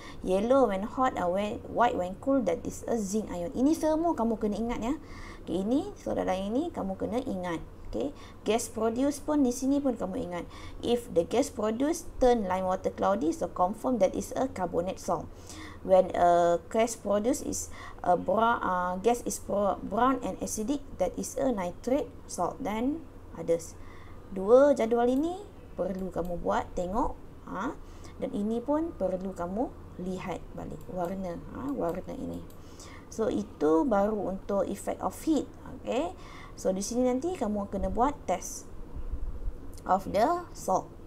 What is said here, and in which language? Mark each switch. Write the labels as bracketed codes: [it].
[en] Yellow when hot, white when cool, that is a zinc ion. [ms] Ini semua kamu kena ingat ya. Okay, ini saudara ini kamu kena ingat. [en] Okay, gas produce [ms] pun di sini pun kamu ingat. [en] If the gas produce turn lime water cloudy, so confirm that is a carbonate salt. When a gas produce is a brown and acidic, that is a nitrate salt. Then others. [ms] Dua jadual ini perlu kamu buat tengok. Dan ini pun perlu kamu lihat balik warna, ha, warna ini. So itu baru untuk [en] effect of heat. [ms] Okay, so di sini nanti kamu kena buat [en] test of the salt.